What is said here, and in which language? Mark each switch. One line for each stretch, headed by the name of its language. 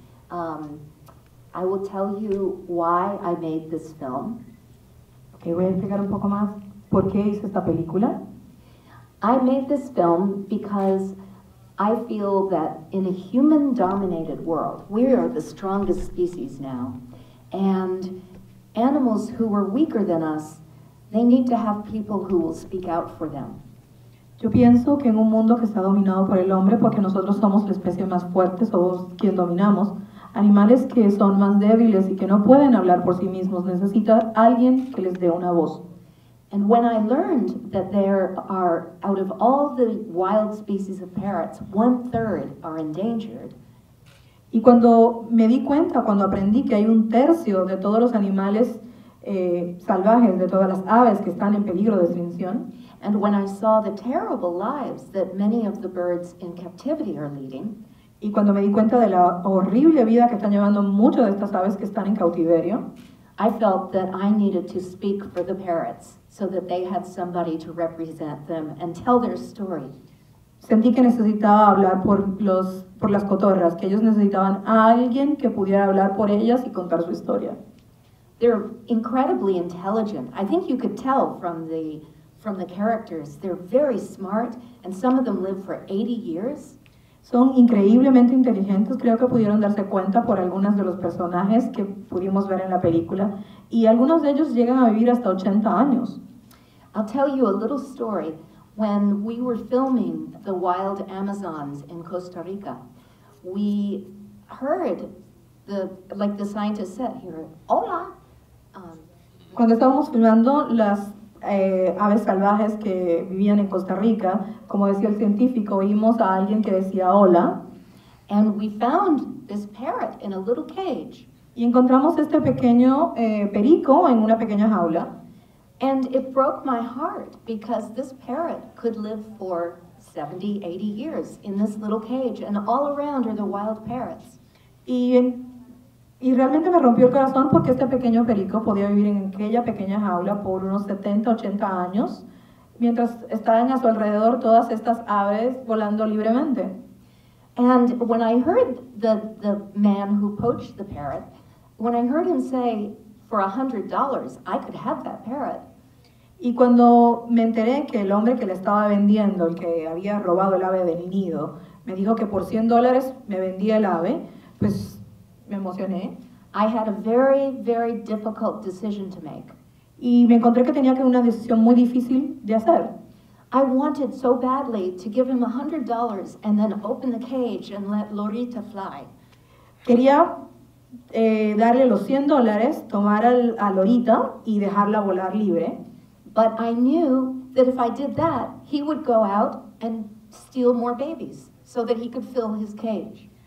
English: I will tell you why I made this film.
Spanish: Okay, voy a explicar un poco más por qué hice esta película.
English: I made this film because I feel that in a human-dominated world, we are the strongest species now, and animals who were weaker than us, they need to have people who will speak out for them.
Spanish: Yo pienso que en un mundo que está dominado por el hombre, porque nosotros somos la especie más fuerte, somos quien dominamos, animales que son más débiles y que no pueden hablar por sí mismos, necesita alguien que les dé una voz.
English: And when I learned that there are, out of all the wild species of parrots, 1/3 are endangered.
Spanish: Y cuando me di cuenta, cuando aprendí que hay 1/3 de todos los animales salvajes, de todas las aves que están en peligro de extinción.
English: And when I saw the terrible lives that many of the birds in captivity are leading.
Spanish: Y cuando me di cuenta de la horrible vida que están llevando muchas de estas aves que están en cautiverio.
English: I felt that I needed to speak for the parrots, so that they had somebody to represent them and tell their story.
Spanish: Sentí que necesitaba hablar por las cotorras, que ellos necesitaban a alguien que pudiera hablar por ellas y contar su historia.
English: They're incredibly intelligent. I think you could tell from the characters. They're very smart, and some of them live for 80 years.
Spanish: Son increíblemente inteligentes. Creo que pudieron darse cuenta por algunos de los personajes que pudimos ver en la película. Y algunos de ellos llegan a vivir hasta 80 años.
English: I'll tell you a little story. When we were filming the wild Amazons in Costa Rica, we heard, like the scientist said here, hola.
Spanish: Cuando estábamos filmando las aves salvajes que vivían en Costa Rica, como decía el científico, oímos a alguien que decía hola.
English: And we found this parrot in a little cage.
Spanish: Y encontramos este pequeño perico en una pequeña jaula.
English: And it broke my heart because this parrot could live for 70, 80 years in this little cage, and all around are the wild parrots.
Spanish: Y realmente me rompió el corazón porque este pequeño perico podía vivir en aquella pequeña jaula por unos 70, 80 años, mientras estaban a su alrededor todas estas aves volando libremente.
English: And when I heard the man who poached the parrot, when I heard him say, for $100, I could have that parrot.
Spanish: Y cuando me enteré que el hombre que le estaba vendiendo, el que había robado el ave del nido, me dijo que por $100 me vendía el ave, pues me emocioné.
English: I had a very, very difficult decision to make.
Spanish: Y me encontré que tenía que una decisión muy difícil de hacer.
English: I wanted so badly to give him $100 and then open the cage and let Lorita fly.
Spanish: Quería darle los $100, tomar a Lorita y dejarla volar libre.
English: But I knew that if I did that, he would go out and steal more babies so that he could fill his cage.